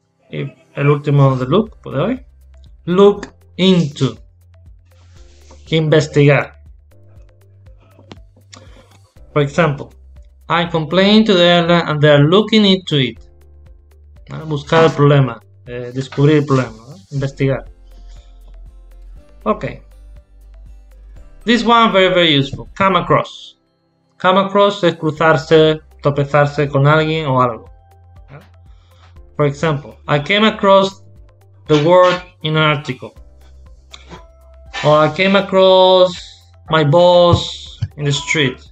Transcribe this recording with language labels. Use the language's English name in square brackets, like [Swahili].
[Spanish] Y el último de look, ¿puedo hoy? Look into. Investigar. [English] For example, I complained to the airline and they are looking into it. [Spanish] Buscar el problema, descubrir el problema, investigar. Okay. [English] This one very, very useful. Come across. [Spanish] Come across es cruzarse, tropezarse con alguien o algo. [English] For example, I came across the word in an article. Or I came across my boss in the street.